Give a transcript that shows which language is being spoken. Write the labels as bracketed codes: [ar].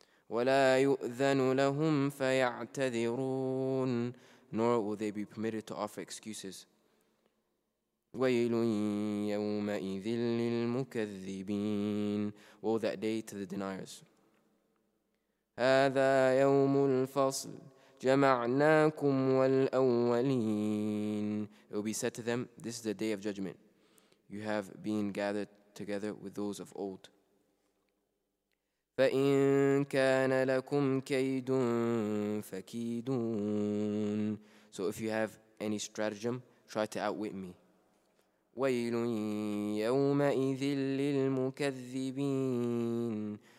[ar] ولا يؤذن لهم فيعتذرون. [en] Nor will they be permitted to offer excuses. [ar] ويل يومئذ للمكذبين. [en] Woe that day to the deniers. [ar] هذا يوم الفصل جمعناكم والأولين. [en] It will be said to them, this is the day of judgment. You have been gathered together with those of old. [ar] فإن كان لكم كيد فكيدون. [en] So if you have any stratagem, try to outwit me. [ar] وَيْلٌ يَوْمَئِذٍ لِلْمُكَذِّبِينَ.